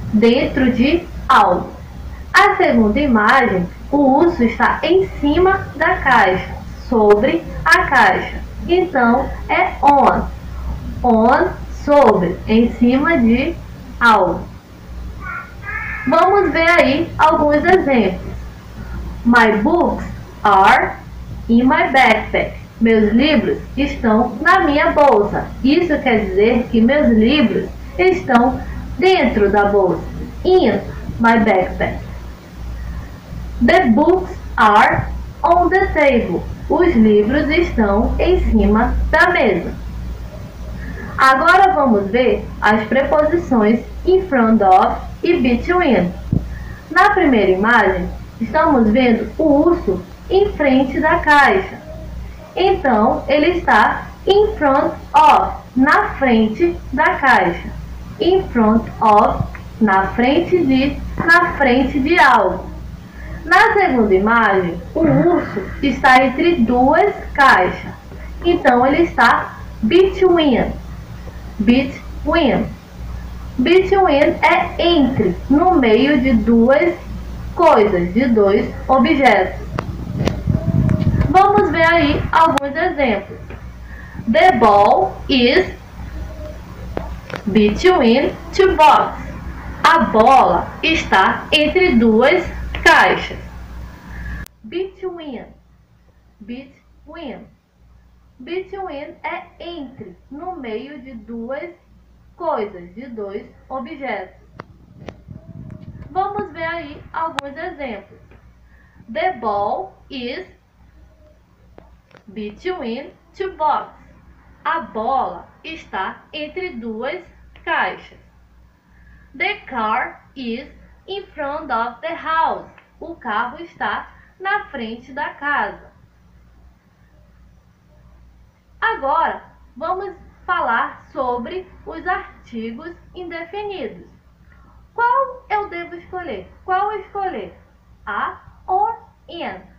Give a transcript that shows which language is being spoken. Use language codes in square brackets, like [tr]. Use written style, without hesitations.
[pt] Dentro de algo. A segunda imagem, o urso está em cima da caixa. Sobre a caixa. Então, é on. On, sobre. Em cima de algo. Vamos ver aí alguns exemplos. [en] My books are in my backpack. [pt] Meus livros estão na minha bolsa. Isso quer dizer que meus livros estão dentro da bolsa. [en] In my backpack. The books are on the table. [pt] Os livros estão em cima da mesa. Agora vamos ver as preposições in front of e between. Na primeira imagem, estamos vendo o urso em frente da caixa. Então, ele está in front of, na frente da caixa. In front of, na frente de algo. Na segunda imagem, o urso está entre duas caixas. Então, ele está between. Between. Between é entre, no meio de duas coisas, de dois objetos. Vamos ver aí alguns exemplos. [en] The ball is between two boxes. [pt] A bola está entre duas caixas. Between. Between. Between é entre, no meio de duas coisas, de dois objetos. Vamos ver aí alguns exemplos. [en] The ball is between two boxes. [pt] A bola está entre duas caixas. [en] The car is in front of the house. [pt] O carro está na frente da casa. Agora, vamos falar sobre os artigos indefinidos. Qual eu devo escolher? Qual escolher? A or in?